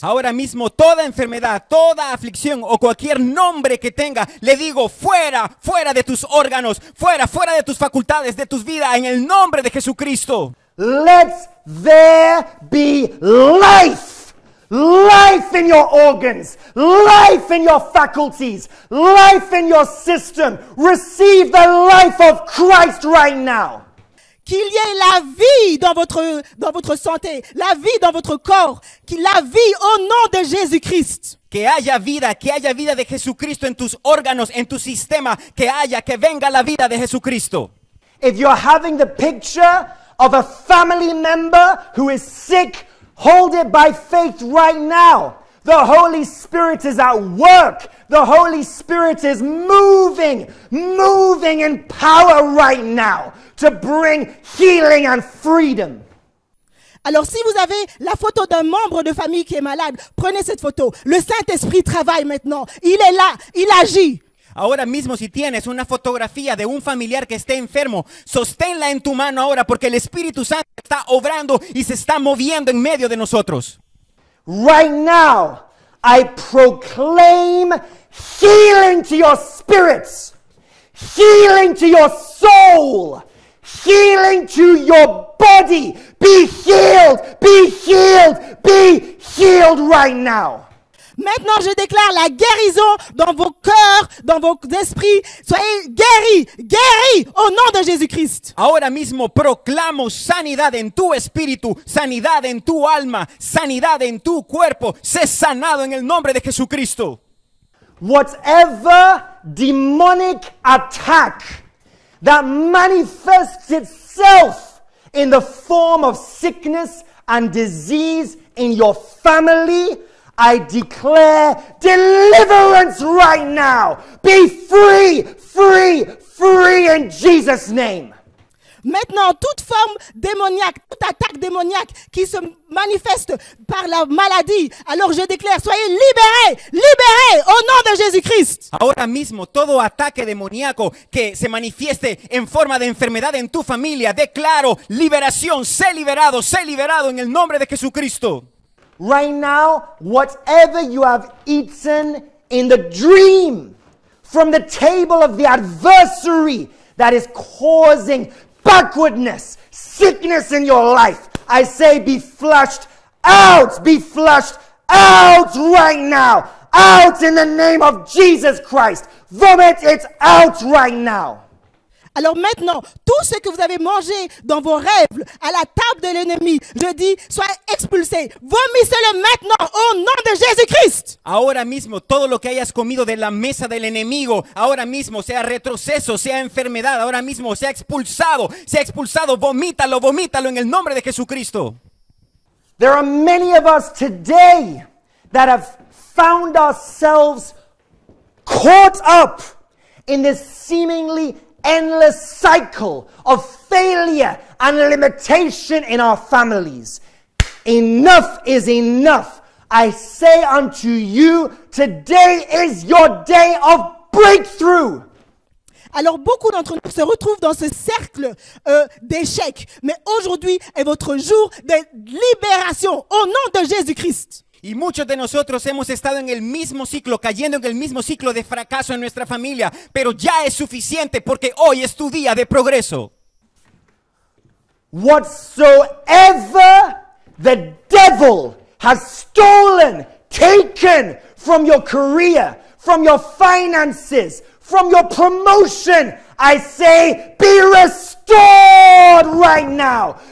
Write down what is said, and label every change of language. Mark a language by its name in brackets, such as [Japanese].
[Spanish] Ahora mismo, toda enfermedad, toda aflicción o cualquier nombre que tenga, le digo, fuera, fuera de tus órganos, fuera, fuera de tus facultades, de tus vidas, en el nombre de Jesucristo. [English] Let there be life. Life in your organs, life in your faculties, life in your system. Receive the life of Christ right now. [French] Qu'il y ait la vie dans votre santé, la vie dans votre corps, qu'il y ait la vie au nom de Jésus-Christ. [Spanish] Que haya vida de Jesucristo en tus órganos, en tu sistema, que haya, que venga la vida de Jesucristo. [English] If you're having the picture of a family member who is sick, hold it by faith right now. The Holy Spirit is at work. The Holy Spirit is moving, moving in power right now to bring healing and freedom. [French] Alors, si vous avez la photo d'un membre de famille qui est malade, prenez cette photo. Le Saint-Esprit travaille maintenant. Il est là. Il agit. [Spanish] Ahora mismo, si tienes una fotografía de un familiar que esté enfermo, sosténla en tu mano ahora porque el Espíritu Santo está obrando y se está moviendo en medio de nosotros. [English] Right now, I proclaim healing to your spirits, healing to your soul, healing to your body. Be healed, be healed, be healed right now. [French] Maintenant, je déclare la guérison dans vos cœurs, dans vos esprits. Soyez guéris, guéris au nom de Jésus-Christ. [Spanish] Ahora mismo proclamo sanidad en tu espíritu, sanidad en tu alma, sanidad en tu cuerpo. Sé sanado en el nombre de Jesucristo. [English] Whatever demonic attack that manifests itself in the form of sickness and disease in your family, I declare deliverance right now. Be free, free, free in Jesus' name. [French] Maintenant, toute forme démoniaque, toute attaque démoniaque qui se manifeste par la maladie, alors je déclare, soyez libérés, libérés au nom de Jésus-Christ. [Spanish] Ahora mismo, todo ataque demoníaco que se manifieste en forma de enfermedad en tu familia, declaro liberación, sé liberado en el nombre de Jesucristo. [English] Right now, whatever you have eaten in the dream, from the table of the adversary that is causing backwardness, sickness in your life, I say be flushed out right now, out in the name of Jesus Christ. Vomit it out right now. [French] Alors maintenant, tout ce que vous avez mangé dans vos rêves, à la table de l'ennemi, je dis, soit expulsé. Vomissez-le maintenant, au nom de Jésus-Christ. [Spanish] Ahora mismo, todo lo que hayas comido de la mesa del enemigo, ahora mismo, sea retroceso, sea enfermedad, ahora mismo, sea expulsado, vomítalo, vomítalo en el nombre de Jesucristo. [English] There are many of us today that have found ourselves caught up in this seemingly endless cycle of failure and limitation in our families. Enough is enough. I say unto you, today is your day of breakthrough. [French] Alors beaucoup d'entre nous se retrouvent dans ce cercle d'échec, mais aujourd'hui est votre jour de libération au nom de Jésus-Christ. [Spanish] Y muchos de nosotros hemos estado en el mismo ciclo, cayendo en el mismo ciclo de fracaso en nuestra familia, pero ya es suficiente porque hoy es tu día de progreso. [English] Whatsoever the devil has stolen, taken from your career, from your finances, from your promotion, I say be restored right now.